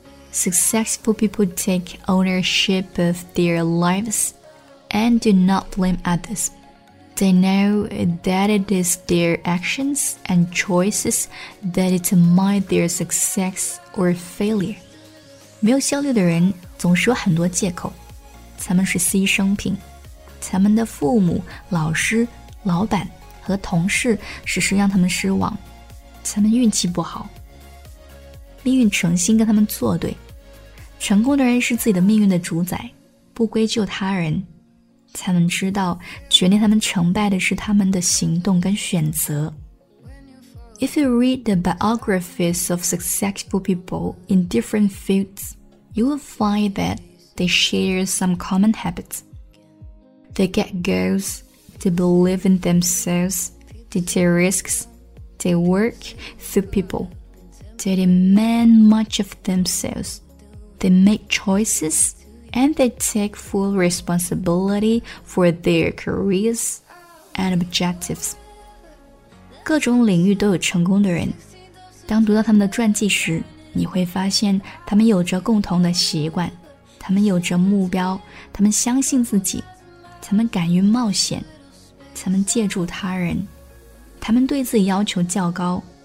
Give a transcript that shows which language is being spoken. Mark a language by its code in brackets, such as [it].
[en] Successful people take ownership of their lives and do not blame others. They know that it is their actions and choices that determine their success or failure. [zh] 没有效率的人总是有很多借口。他们是牺牲品。他们的父母、老师、老板和同事时时让他们失望。他们运气不好。命运诚心跟他们作对。成功的人是自己的命运的主宰，不归咎他人，才能知道决定他们成败的是他们的行动跟选择。 [en] If you read the biographies of successful people in different fields, you will find that they share some common habits. They get goals, they believe in themselves, they take risks, they work through people, they demand much of themselves. They make choices, and they take full responsibility for their careers and objectives. [zh] 各种领域都有成功的人。当读到他们的传记时，你会发现他们有着共同的习惯，他们有着目标，他们相信自己，他们敢于冒险，他们借助他人，他们对自己要求较高。